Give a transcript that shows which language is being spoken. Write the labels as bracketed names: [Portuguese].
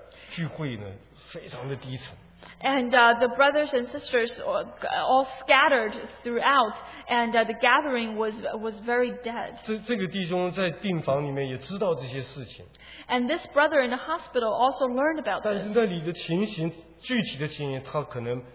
[Chinese] 所以很多神的儿女们的四分五散，聚会呢非常的低沉。 [English] And the brothers and sisters all scattered throughout, and the gathering was very dead. [Chinese] 这个弟兄在病房里面也知道这些事情。 [English] And this brother in the hospital also learned about this. [Chinese] 但是那里的情形，具体的情形，他可能。